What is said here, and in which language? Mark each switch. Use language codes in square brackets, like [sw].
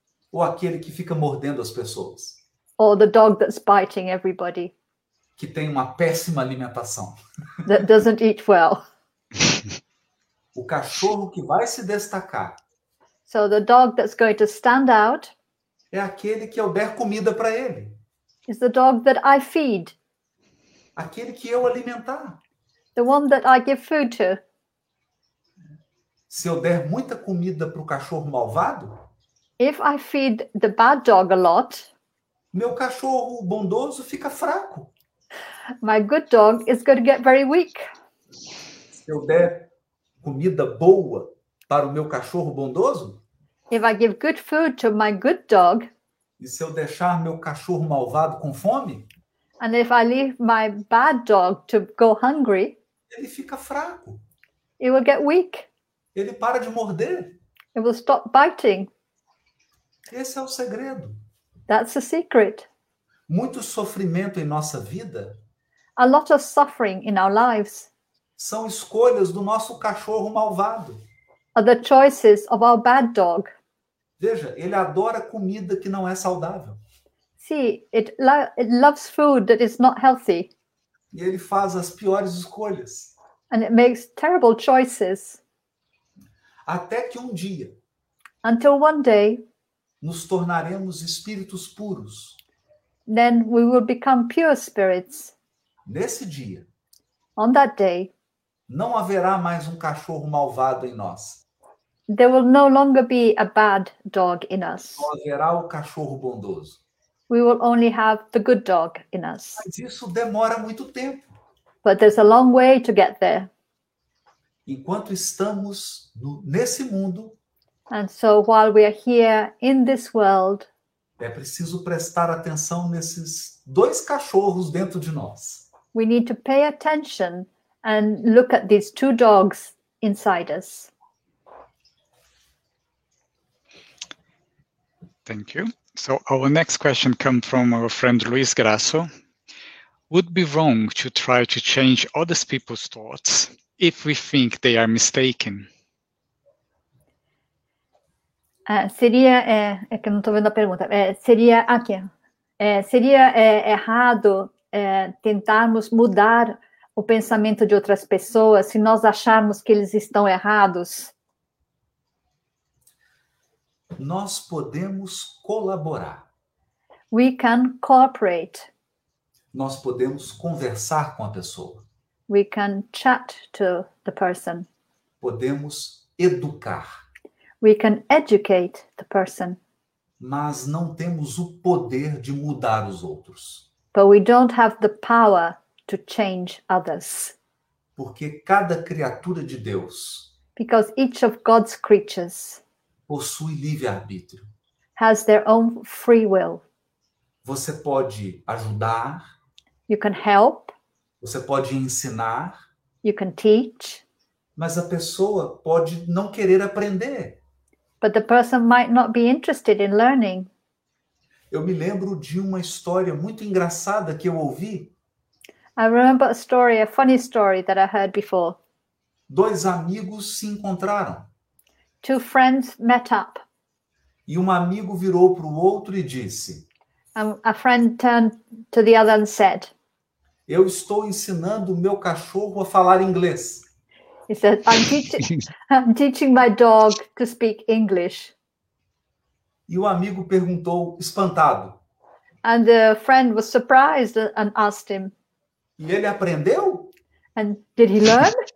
[pt] Ou aquele que fica mordendo as pessoas? [en] Or the dog that's biting everybody? [pt] Que tem uma péssima alimentação. [en] That doesn't eat well. [pt] O cachorro que vai se destacar. [en] So the dog that's going to stand out. [pt] É aquele que eu der comida para ele. [en] Is the dog that I feed. [pt] Aquele que eu alimentar. [en] The one that I give food to. [pt] Se eu der muita comida para o cachorro malvado. [en] If I feed the bad dog a lot. [pt] Meu cachorro bondoso fica fraco. [en] My good dog is going to get very weak. [pt] Se eu der comida boa para o meu cachorro bondoso. [en] If I give good food to my good dog. [pt] E se eu deixar meu cachorro malvado com fome. [en] And if I leave my bad dog to go hungry. [pt] Ele fica fraco. [en] He will get weak. [pt] Ele para de morder. [en] He will stop biting. [pt] Esse é o segredo. [en] That's the secret. [pt] Muito sofrimento em nossa vida. [en] A lot of suffering in our lives. [pt] São escolhas do nosso cachorro malvado. [en] Are the choices of our bad dog. [pt] Veja, ele adora comida que não é saudável. [en] See, it loves food that is not healthy. [pt] E ele faz as piores escolhas. [en] And it makes terrible choices. [pt] Até que um dia. [en] Until one day. [pt] Nos tornaremos espíritos puros. [en] Then we will become pure spirits. [pt] Nesse dia. [en] On that day. [pt] Não haverá mais um cachorro malvado em nós. [en] There will no longer be a bad dog in us. [pt] Não haverá o cachorro bondoso. [en] We will only have the good dog in us. [pt] Mas isso demora muito tempo. [en] But there's a long way to get there. [pt] Enquanto estamos nesse mundo. [en] And so while we are here in this world. [pt] É preciso prestar atenção nesses dois cachorros dentro de nós. [en] We need to pay attention and look at these two dogs inside us. Thank you. So our next question comes from our friend Luis Grasso. Would it be wrong to try to change other people's thoughts if we think they are mistaken? [pt] Seria, que eu não estou vendo a pergunta, seria aqui. Seria errado tentarmos mudar o pensamento de outras pessoas se nós acharmos que eles estão errados? Nós podemos colaborar. [en] We can cooperate. [pt] Nós podemos conversar com a pessoa. [en] We can chat to the person. [pt] Podemos educar. [en] We can educate the person. [pt] Mas não temos o poder de mudar os outros. [en] But we don't have the power to change others. [pt] Porque cada criatura de Deus. [en] Because each of God's creatures. [pt] Possui livre-arbítrio. [en] Has their own free will. [pt] Você pode ajudar. [en] You can help. [pt] Você pode ensinar. [en] You can teach. [pt] Mas a pessoa pode não querer aprender. [en] But the person might not be interested in learning. [pt] Eu me lembro de uma história muito engraçada que eu ouvi. [en] I remember a story, a funny story that I heard before. [pt] Dois amigos se encontraram. [en] Two friends met up. [pt] E um amigo virou para o outro e disse. [en] A friend turned to the other and said. [pt] Eu estou ensinando o meu cachorro a falar inglês. [en] He said, I'm teaching my dog to speak English. [pt] E o amigo perguntou, espantado. [en] And the friend was surprised and asked him. [pt] E ele aprendeu? [en] And did he learn?